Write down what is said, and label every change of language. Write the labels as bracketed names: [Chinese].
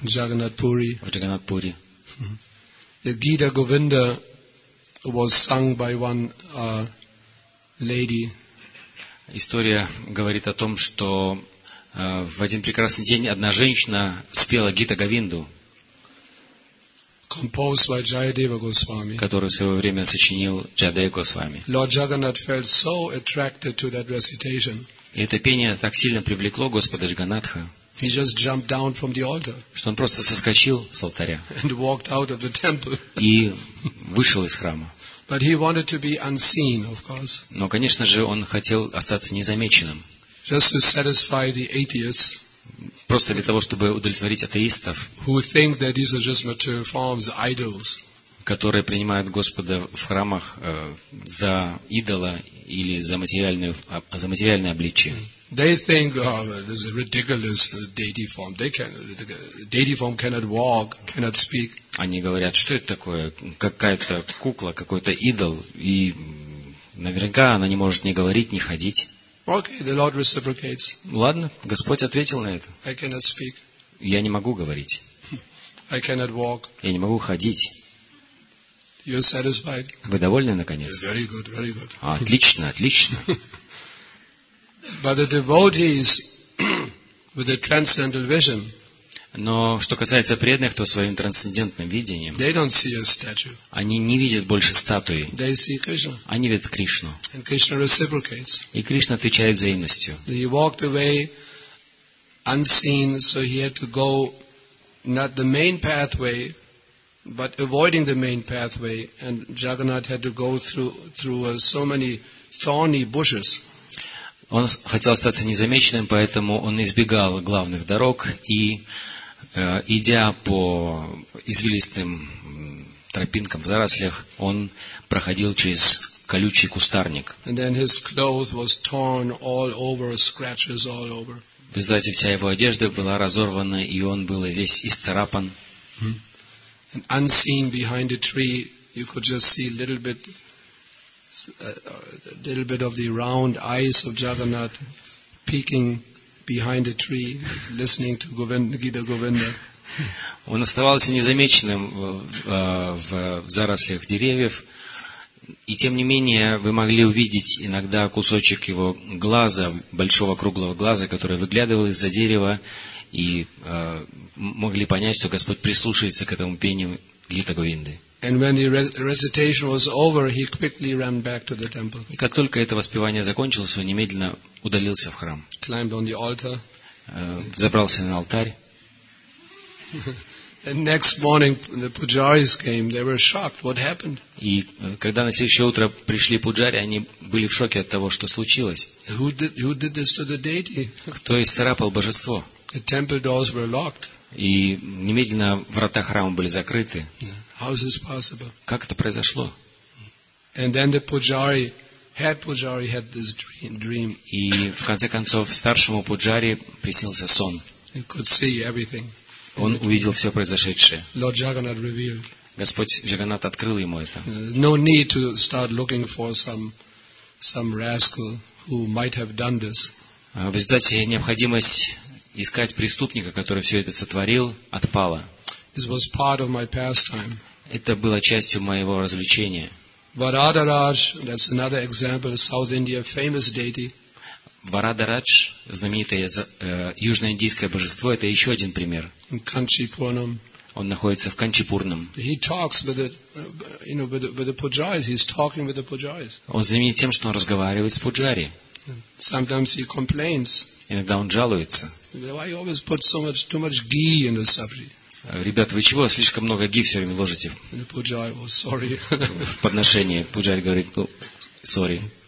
[English] Jagannath Puri. [Russian] В Джаганатпури. [English] The Gita Govinda was sung by one lady. [Russian] История говорит о том, что в один прекрасный день одна женщина спела Гита Говинду, [English] composed by Jayadeva Goswami, [Russian] который в свое время сочинил Джаядева Госвами. [English] Lord Jagannath felt so attracted to that recitation. [Russian] И это пение так сильно привлекло Господа Джаганатха, [English] he just jumped down from the altar, [Russian] что он просто соскочил с алтаря [English] and walked out of the temple. [Russian] И вышел из храма. [English] But he wanted to be unseen, of course. [Russian] Но, конечно же, он хотел остаться незамеченным. [English] Just to satisfy the atheists. [Russian] Просто для того, чтобы удовлетворить атеистов, [English] who think that these are just material forms, idols, [Russian] которые принимают Господа в храмах за идола или за материальное обличие. [English] They think, oh, this is a ridiculous deity form. They can, deity form cannot walk, cannot speak. [Russian] Они говорят, что это такое? Какая-то кукла, какой-то идол, и наверняка она не может ни говорить, ни ходить. [English] Okay, the Lord reciprocates. [Russian] Ладно, Господь ответил на это. [English] I cannot speak. [Russian] Я не могу говорить. [English] I cannot walk. [Russian] Я не могу ходить. [English] You're satisfied? [Russian] Вы довольны, наконец? [English] Very good, very good. [Russian] А, отлично, отлично. [English] But the devotees with a transcendental vision. [Russian] Но что касается преданных, то своим трансцендентным видением [English] they don't see a statue. [Russian] Они не видят больше статуи. [English] They see Krishna. [Russian] Они видят Кришну. [English] And Krishna reciprocates. [Russian] И Кришна отвечает взаимностью. [English] He walked away unseen, so he had to go not the main pathway, but avoiding the main pathway, and Jagannath had to go through so many thorny bushes. [Russian] Он хотел остаться незамеченным, поэтому он избегал главных дорог и, идя по извилистым тропинкам в зарослях, он проходил через колючий кустарник. [English] And then his clothes was torn all over, scratches all over. [Russian] В результате вся его одежда была разорвана, и он был весь исцарапан. [English] And unseen behind a tree, you could just see a little bit of the round eyes of Jagannath peeking behind the tree, listening to Gita Govinda. [Russian] Он оставался незамеченным в зарослях деревьев, и тем не менее вы могли увидеть иногда кусочек его глаза, большого круглого глаза, который выглядывал из-за дерева, и могли понять, что Господь прислушивается к этому пению Гита Говинды. [English] And when the recitation was over, he quickly ran back to the temple. [Russian] И как только это воспевание закончилось, он немедленно удалился в храм. [English] Climbed on the altar. [Russian] Взобрался на алтарь. [English] And next morning the pujaris came. They were shocked. What happened? [Russian] И когда на следующее утро пришли пуджари, они были в шоке от того, что случилось. [English] Who did this to the deity? [Russian] Кто исцарапал божество? [English] The temple doors were locked. [Russian] И немедленно врата храма были закрыты. [English] How is this possible? [Russian] Как это произошло? [English] And then the pujari had this dream. [Russian] И в конце концов старшему пуджари приснился сон. [English] He could see everything. [Russian] Он увидел все произошедшее. [English] Lord Jagannath revealed. [Russian] Господь Джаганнат открыл ему это. [English] No need to start looking for some rascal who might have done this. [Russian] В результате необходимость искать преступника, который все это сотворил, отпала. [English] This was part of my pastime. [Russian] Это было частью моего развлечения. [English] Varadaraj, that's another example, South India, famous deity. [Russian] Varadaraj, знаменитое южноиндийское божество, это еще один пример. [English] In Kanchipuram. [Russian] Он находится в Канчипурнам. [English] He talks with the pujaris. He's talking with the pujaris. [Russian] Он знаменит тем, что он разговаривает с пуджари. [English] Sometimes he complains. [Russian] Иногда он жалуется. [English] Why you always put so much too much ghee in the sabji? [Russian] Ребят, вы чего слишком много ги все время ложите? В подношение пуджари говорит: ну, сори.